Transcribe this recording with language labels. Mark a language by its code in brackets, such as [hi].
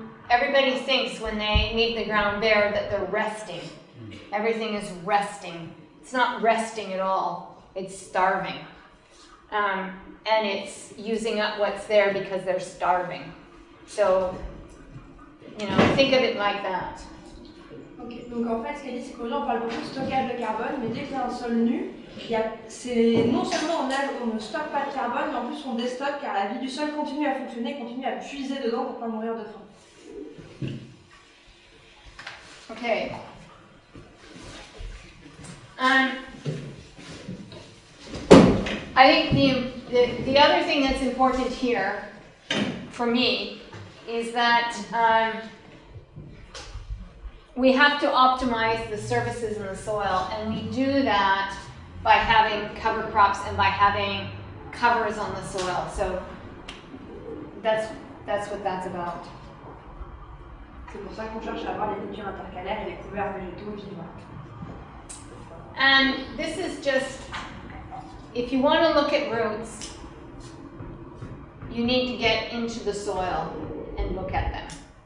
[en] Everybody thinks when they meet the ground bare that they're resting. Everything is resting. It's not resting at all. It's starving. And it's using up what's there because they're starving. So, you know, think of it like that. [fr] Okay, donc en fait, ce qu'elle dit, c'est que là, on parle beaucoup de stockage de carbone, mais dès qu'il y a un sol nu, non seulement on ne stocke pas de carbone, mais en plus on déstocke car la vie du sol continue à fonctionner, continue à puiser dedans pour ne pas mourir de faim. [en] Okay. I think the other thing that's important here for me is that we have to optimize the surfaces in the soil, and we do that by having cover crops and by having covers on the soil. So that's what that's about. [fr] C'est pour ça qu'on cherche à avoir les cultures intercalaires et les couverts végétaux vivants. [en] And this is just, if you want to look at roots, you need to get into the soil and look at them.